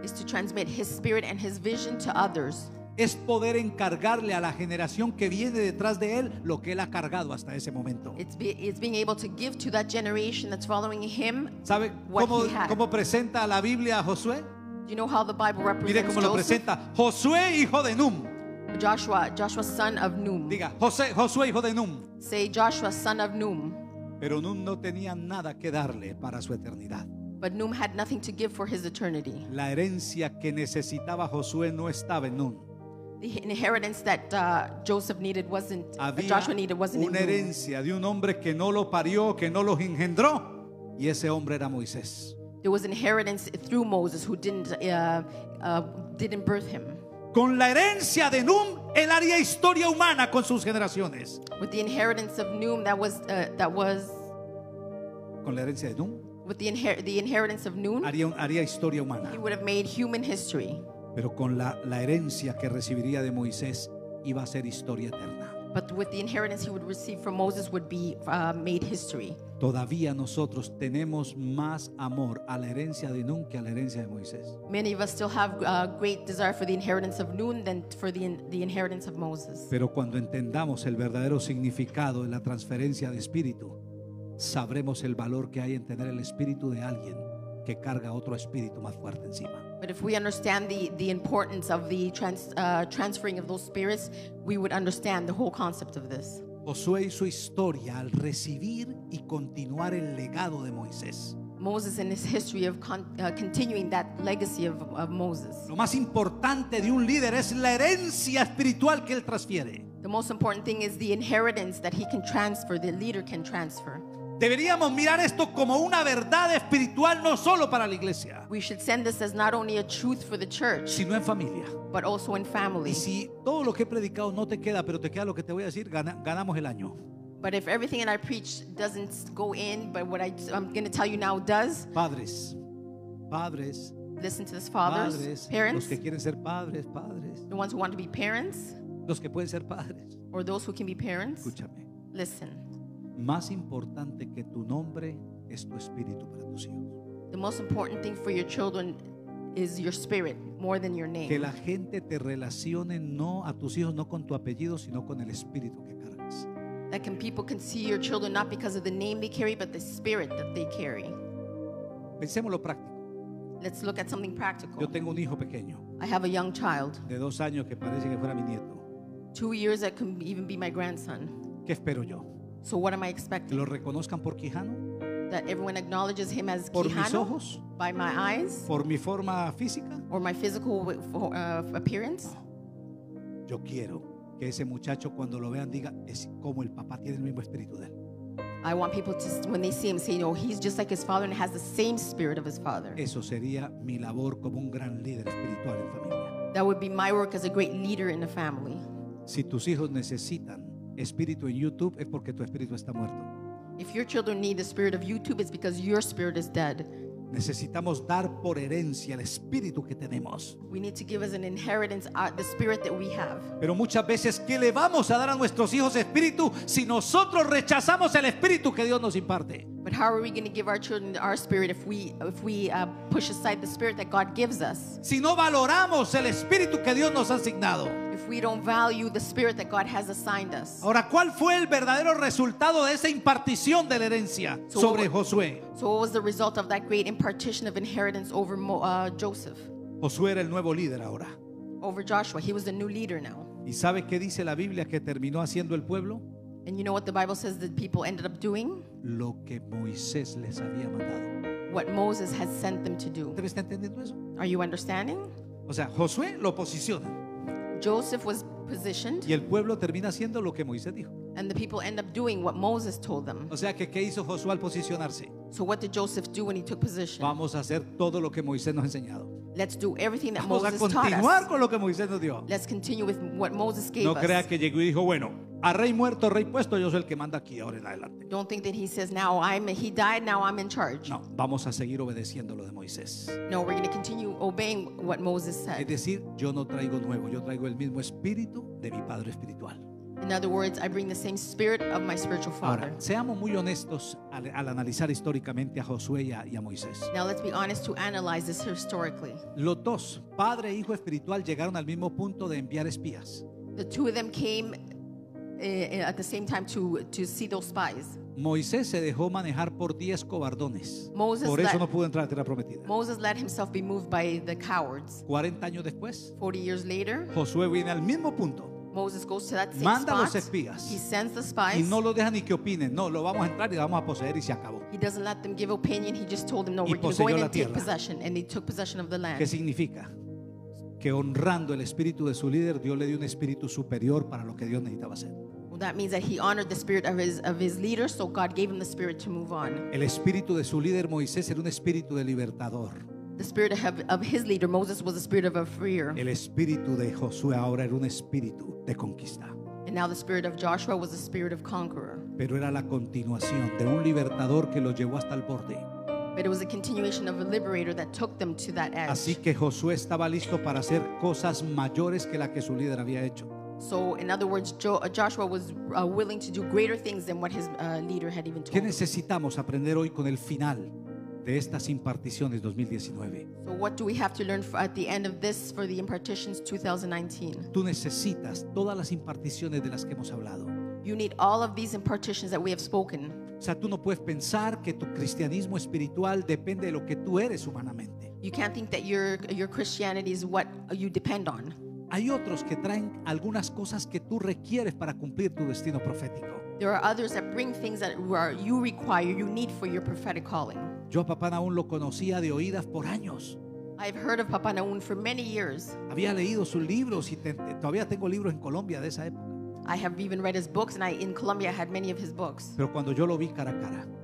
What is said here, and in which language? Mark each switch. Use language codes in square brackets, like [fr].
[en] Is to transmit his spirit and his vision to others. [es] Es poder encargarle a la generación que viene detrás de él lo que él ha cargado hasta ese momento. [en] It's being able to give to that generation that's following him. [es] ¿Sabe cómo presenta la Biblia a Josué? [en] Do you know how the Bible represents [es] Joseph? Mire cómo lo presenta. Josué, hijo de Nun. [en] Joshua, son of Nun. [es] Diga, Josué, hijo de Nun. [en] Say, Joshua, son of Nun. [es] Pero Nun no tenía nada que darle para su eternidad. [en] But Nun had nothing to give for his eternity. [es] La herencia que necesitaba Josué no estaba en Nun. [en] The inheritance that Joseph needed wasn't, Joshua needed wasn't in Nun. [es] Una herencia de un hombre que no lo parió, que no los engendró, y ese hombre era Moisés. [en] There was inheritance through Moses who didn't birth him. [es] Con la herencia de Nun, él haría historia humana con sus generaciones. [en] With the inheritance of Nun, that was. [es] Con la herencia de Nun. [en] With the inheritance of Nun, [es] haría historia humana. [en] He would have made human history. [es] Pero con la herencia que recibiría de Moisés, iba a ser historia eterna. [en] But with the inheritance he would receive from Moses would be made history. [es] Todavía nosotros tenemos más amor a la herencia de Nun que a la herencia de Moisés. [en] Many of us still have a great desire for the inheritance of Nun than for the inheritance of Moses. [es] Pero cuando entendamos el verdadero significado de la transferencia de espíritu, sabremos el valor que hay en tener el espíritu de alguien que carga otro espíritu más fuerte encima. [en] But if we understand the importance of the transferring of those spirits, we would understand the whole concept of this. [es] Josué hizo historia al recibir y continuar el legado de Moisés. [en] Moses in his history of continuing that legacy of Moses. [es] Lo más importante de un líder es la herencia espiritual que él transfiere. [en] The most important thing is the inheritance that he can transfer, the leader can transfer. [es] Deberíamos mirar esto como una verdad espiritual no solo para la iglesia. [en] We should send this as not only a truth for the church, [es] sino en familia. [en] But also in family. [es] Y si todo lo que he predicado no te queda, pero te queda lo que te voy a decir, ganamos el año. [en] But if everything that I preach doesn't go in, but what I'm going to tell you now does. [es] Padres. [en] Listen to this, fathers. [es] Padres, [en] parents. [es] Los que quieren ser padres. [en] The ones who want to be parents. [es] Los que pueden ser padres. [en] Or those who can be parents. [es] Escúchame. [en] Listen. [es] Más importante que tu nombre es tu espíritu para tus hijos. [en] The most important thing for your children is your spirit, more than your name. [es] Que la gente te relacione no a tus hijos no con tu apellido, sino con el espíritu que cargas. [en] That can people can see your children not because of the name they carry, but the spirit that they carry. [es] Pensémoslo práctico. [en] Let's look at something practical. [es] Yo tengo un hijo pequeño. [en] I have a young child. [es] De 2 años que parece que fuera mi nieto. [en] 2 years that can even be my grandson. [es] ¿Qué espero yo? [en] So what am I expecting? [es] ¿Lo reconozcan por Quijano? [en] That everyone acknowledges him as [es] por Quijano? Por mis ojos? [en] By my eyes? [es] Por mi forma física? [en] Or my physical appearance? [es] Yo quiero que ese muchacho cuando lo vean diga es como el papá tiene el mismo espíritu de él. [en] I want people to when they see him say, "No, he's just like his father and has the same spirit of his father." [es] Eso sería mi labor como un gran líder espiritual en familia. [en] That would be my work as a great leader in a family. [es] Si tus hijos necesitan espíritu en YouTube es porque tu espíritu está muerto. [en] If your children need the spirit of YouTube, it's because your spirit is dead. [es] Necesitamos dar por herencia el espíritu que tenemos. [en] We need to give as an inheritance the spirit that we have. [es] Pero muchas veces, ¿qué le vamos a dar a nuestros hijos espíritu si nosotros rechazamos el espíritu que Dios nos imparte? [en] But how are we going to give our children our spirit if we push aside the spirit that God gives us? [es] Si no valoramos el espíritu que Dios nos ha asignado. [en] We don't value the spirit that God has assigned us. [es] Ahora, ¿cuál fue el verdadero resultado de esa impartición de la herencia sobre Josué? [en] So what was the result of that great impartition of inheritance over Joseph? [es] Josué era el nuevo líder ahora. [en] Over Joshua, he was the new leader now. [es] ¿Y sabe qué dice la Biblia que terminó haciendo el pueblo? [en] And you know what the Bible says that people ended up doing? [es] Lo que Moisés les había mandado. [en] What Moses has sent them to do. [es] ¿Ustedes están entendiendo eso? [en] Are you understanding? [es] O sea, Josué lo posiciona. [en] Joseph was positioned. [es] Y el pueblo termina haciendo lo que Moisés dijo. [en] And the people end up doing what Moses told them. [es] O sea, ¿qué hizo Josué al posicionarse? [en] So what did Joseph do when he took position? [es] Vamos a hacer todo lo que Moisés nos ha enseñado. [en] Let's do everything that Moses taught us. [es] Vamos a continuar con lo que Moisés nos dio. [en] Let's continue with what Moses gave us. [es] No crea que llegó y dijo, bueno, a rey muerto, rey puesto, yo soy el que manda aquí ahora en adelante. [en] Don't think that he says now he died, now I'm in charge. [es] No, vamos a seguir obedeciendo lo de Moisés. [en] No, we're going to continue obeying what Moses said. [es] Es decir, yo no traigo nuevo, yo traigo el mismo espíritu de mi padre espiritual. [en] In other words, I bring the same spirit of my spiritual father. [es] Ahora, seamos muy honestos al analizar históricamente a Josué y a Moisés. [en] Now let's be honest to analyze this historically. [es] Los dos, padre e hijo espiritual, llegaron al mismo punto de enviar espías. [en] The two of them came at the same time to see those spies. [es] Moisés se dejó manejar por 10 cobardones. Por eso no pudo entrar a la tierra prometida. [en] Moses let himself be moved by the cowards. [es] 40 años después, [en] 40 years later, [es] Josué viene al mismo punto. [en] Moses goes to that same [es] manda [en] spot. [es] Los espías. [en] He sends the spies. [es] Y no lo deja ni que opinen. No, lo vamos a entrar y lo vamos a poseer y se acabó. [en] He doesn't let them give opinion. He just told them, no, [es] y [en] we're going to [es] la [en] and take possession. And he took possession of the land. [es] ¿Qué significa? Que honrando el espíritu de su líder, Dios le dio un espíritu superior para lo que Dios necesitaba hacer. [en] Well, that means that he honored the spirit of his leader, so God gave him the spirit to move on. [es] El espíritu de su líder Moisés era un espíritu de libertador. [en] The spirit of his leader Moses was a spirit of a freer. [es] El espíritu de Josué ahora era un espíritu de conquista. [en] And now the spirit of Joshua was a spirit of conqueror. [es] Pero era la continuación de un libertador que lo llevó hasta el borde. [en] But it was a continuation of a liberator that took them to that edge. [es] Así que Josué estaba listo para hacer cosas mayores que la que su líder había hecho. [en] So in other words, Joshua was willing to do greater things than what his leader had even told him. [es] ¿Qué necesitamos aprender hoy con el final de estas imparticiones 2019? [en] So what do we have to learn at the end of this for the impartitions 2019? [es] Tú necesitas todas las imparticiones de las que hemos hablado. [en] You need all of these impartitions that we have spoken. [es] O sea, tú no puedes pensar que tu cristianismo espiritual depende de lo que tú eres humanamente. [en] You can't think that your Christianity is what you depend on. [es] Hay otros que traen algunas cosas que tú requieres para cumplir tu destino profético. [en] There are others that bring things that you require, you need for your prophetic calling. [es] Yo a Papá Naún lo conocía de oídas por años. [en] I've heard of Papá Naún for many years. [es] Había leído sus libros y todavía tengo libros en Colombia de esa época. [en] I have even read his books, and in Colombia I had many of his books. [es] Pero cuando yo lo vi cara a cara,